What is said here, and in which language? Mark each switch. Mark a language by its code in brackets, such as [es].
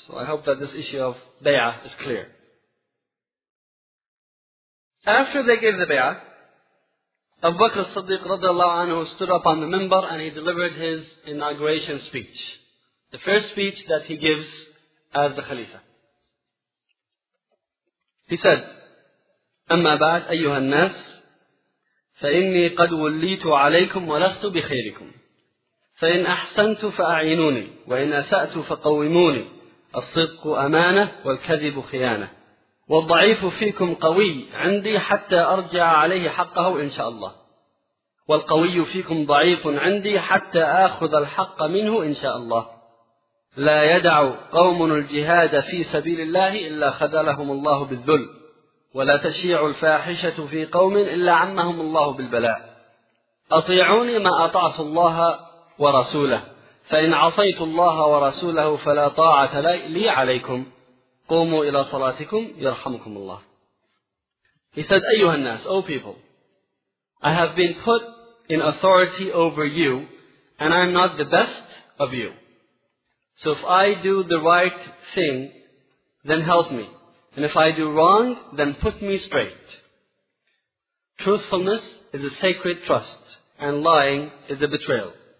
[en] So I hope that this issue of bay'ah is clear. After they gave the bay'ah, Abu Bakr as-Siddiq radiallahu anhu stood up on the minbar and he delivered his inauguration speech. The first speech that he gives as the Khalifa. He said, [ar] أَمَّا بَعْدْ أَيُّهَا النَّاسِ فَإِنِّي قَدْ وُلِّيتُ عَلَيْكُمْ وَلَسْتُ بِخَيْرِكُمْ فَإِنْ أَحْسَنْتُ فَأَعِينُونِي وَإِنْ أَسَأْتُ فَقَوِّمُونِي الصدق أمانة والكذب خيانة والضعيف فيكم قوي عندي حتى أرجع عليه حقه إن شاء الله والقوي فيكم ضعيف عندي حتى آخذ الحق منه إن شاء الله لا يدع قوم الجهاد في سبيل الله إلا خذلهم الله بالذل ولا تشيع الفاحشة في قوم إلا عمهم الله بالبلاء أطيعوني ما أطعت الله ورسوله فإن عصيت الله ورسوله فلا طاعة لي عليكم قوموا إلى صلاتكم يرحمكم الله. [en] He said, [ar] أيها الناس, [en] O people, I have been put in authority over you and I am not the best of you. So if I do the right thing, then help me. And if I do wrong, then put me straight. Truthfulness is a sacred trust, and lying is a betrayal.